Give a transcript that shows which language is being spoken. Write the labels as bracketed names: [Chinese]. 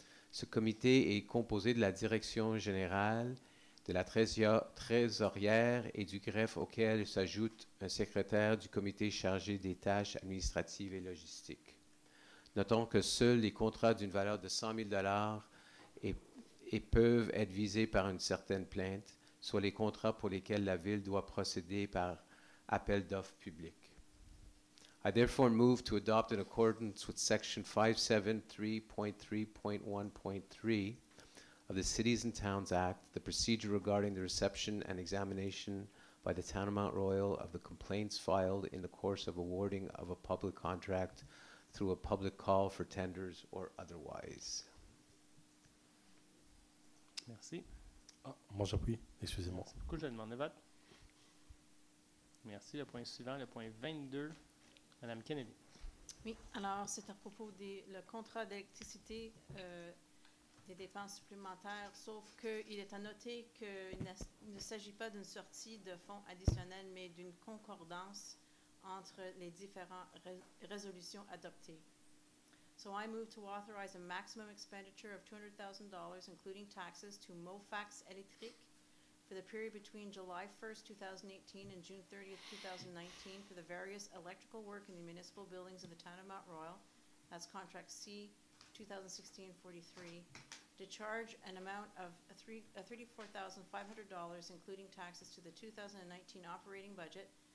[French] Ce comité est composé de la direction générale, de la trésorière et du greffe auquel s'ajoute un secrétaire du comité chargé des tâches administratives et logistiques. Notons que seuls les contrats d'une valeur de 100 000 $ et peuvent être visés par une certaine plainte, soit les contrats pour lesquels la Ville doit procéder par appel d'offres publiques. [English] I therefore move to adopt in accordance with section 573.3.1.3 of the Cities and Towns Act, the procedure regarding the reception and examination by the Town of Mount Royal of the complaints filed in the course of awarding of a public contract through a public call for tenders or otherwise. [French] Merci. Moi j'appuie, excusez-moi. Merci beaucoup, je demande le vote. Merci, le point suivant, le point 22, Madame Kennedy. Oui, alors c'est à propos du contrat d'électricité des dépenses supplémentaires, sauf qu'il est à noter qu'il ne s'agit pas d'une sortie de fonds additionnels, mais d'une concordance entre les différentes résolutions adoptées. [English] So I move to authorize a maximum expenditure of $200,000, including taxes, to Mofax Électrique for the period between July 1st, 2018 and June 30th, 2019 for the various electrical work in the municipal buildings of the town of Mount Royal, as contract C-2016-43, to charge an amount of $34,500, including taxes, to the 2019 operating budget,